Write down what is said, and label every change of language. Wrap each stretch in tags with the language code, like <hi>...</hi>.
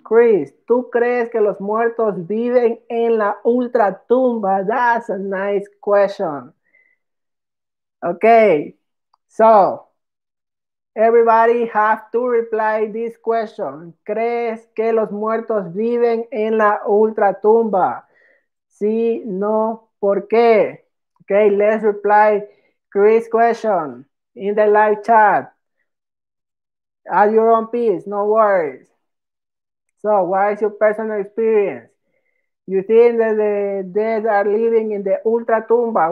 <es>Chris, ¿tú crees que los muertos viven en la ultratumba?</es> <en>That's a nice question. Okay, so everybody have to reply this question.</en> <es>¿Crees que los muertos viven en la ultratumba? Sí, no, ¿por qué?</es> <en>Okay, let's reply Chris' question in the live chat. At your own peace, no worries. So, what is your personal experience? You think that the dead are living in the ultratumba?</en>